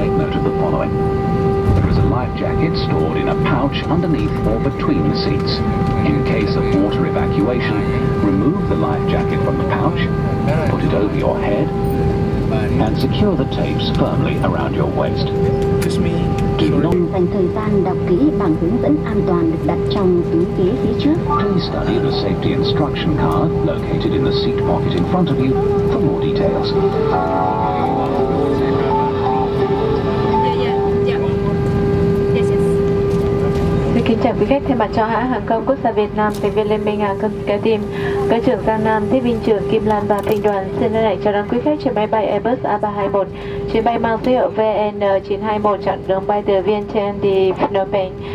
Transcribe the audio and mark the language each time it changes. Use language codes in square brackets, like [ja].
[en] There is a life jacket stored in a pouch underneath or between the seats. In case of water evacuation, remove the life jacket from the pouch, put it over your head, and secure the tapes firmly around your waist. This means [vi] dành thời gian đọc kỹ bảng hướng dẫn an toàn được đặt trong túi ghế phía trước. [en] Please study the safety instruction card located in the seat pocket in front of you for more details. [vi] Xin chào quý khách, thay mặt cho hãng hàng không quốc gia Việt Nam về Việt Liên minh hàng không kế tìm, cơ trưởng Giang Nam, tiếp viên trưởng Kim Lan và Thanh Đoàn xin hân hạnh chào đón quý khách trên máy bay Airbus A321, chuyến bay mang số hiệu VN921 chặn đường bay từ Vientiane đi Phnom Penh.